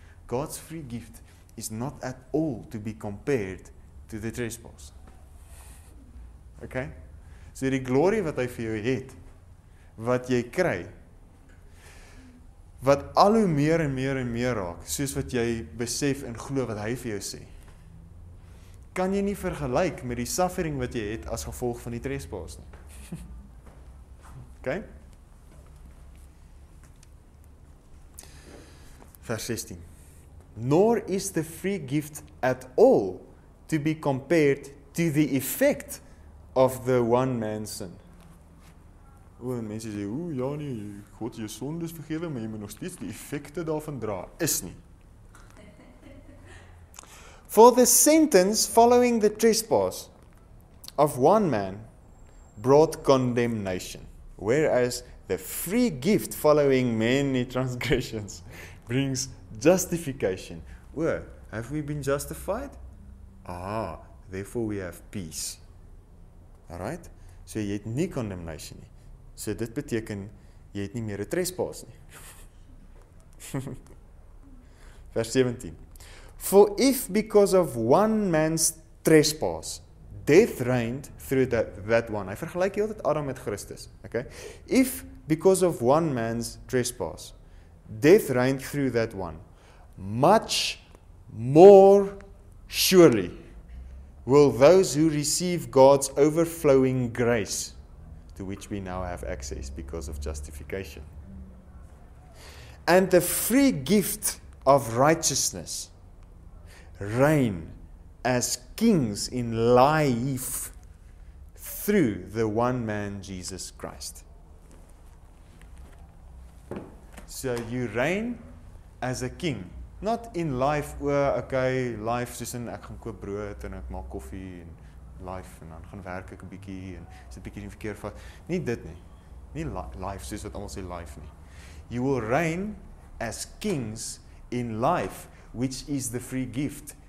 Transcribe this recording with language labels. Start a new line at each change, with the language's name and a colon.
English: God's free gift is not at all to be compared to the trespass. Ok?
Afrikaans: So die glory wat hy vir jou het, wat jy kry, wat al hoe meer en meer en meer raak, soos wat jy besef en glo wat hy vir jou sê, kan jy nie vergelyk met die suffering wat jy het as gevolg van die trespass nie.
English: Ok?
Afrikaans: Vers 16.
English: Nor is the free gift at all to be compared to the effect of the one man's sin.
Afrikaans: O, en mense sê, o, ja nie, God jou sondes vergewe, maar jy moet nog steeds die effekte daarvan dra. Is nie.
English: For the sentence following the trespass of one man brought condemnation, whereas the free gift following many transgressions brings justification. Where have we been justified? Therefore we have peace. Alright?
Afrikaans: So jy het nie condemnation nie. So dit beteken jy het nie meer 'n trespass nie. Vers 17.
English: For if because of one man's trespass, death reigned through that one.
Afrikaans: Hy vergelyk hier altyd Adam met Christus.
English: Okay? If because of one man's trespass, death reigned through that one, much more surely will those who receive God's overflowing grace, to which we now have access because of justification, and the free gift of righteousness, reign as kings in life through the one man Jesus Christ. So you reign as a king, not in life, okay,
Afrikaans: life soos in ek gaan koop brood en ek maak koffie en life en dan gaan werk ek 'n bietjie en sit 'n bietjie in verkeer vas. Nie dit nie. Nie life soos wat almal sê life nie.
English: You will reign as kings in life, which is the free gift.